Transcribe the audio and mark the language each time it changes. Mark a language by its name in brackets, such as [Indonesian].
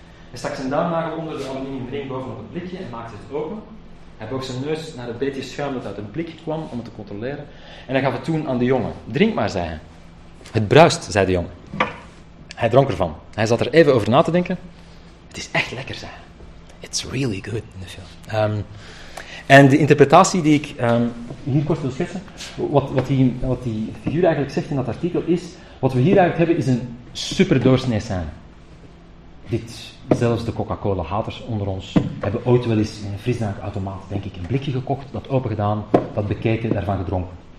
[Dutch] Hij stak zijn duimnagel onder de aluminiumring bovenop het blikje en maakte het open. Hij boog zijn neus naar het beetje schuim dat uit het blikje kwam om het te controleren. En hij gaf het toen aan de jongen. Drink maar, zei hij. Het bruist, zei de jongen. Hij dronk ervan. Hij zat er even over na te denken. Het is echt lekker, zei hij. [English] It's really good [Dutch] in de film. En de interpretatie die ik hier kort wil schetsen, wat die figuur eigenlijk zegt in dat artikel is, wat we hier eigenlijk hebben is een super doorsnee scène. Dit, zelfs de Coca-Cola-haters onder ons, hebben ooit wel eens in een frisdrankautomaat, denk ik, een blikje gekocht, dat opengedaan, dat bekeken, daarvan gedronken.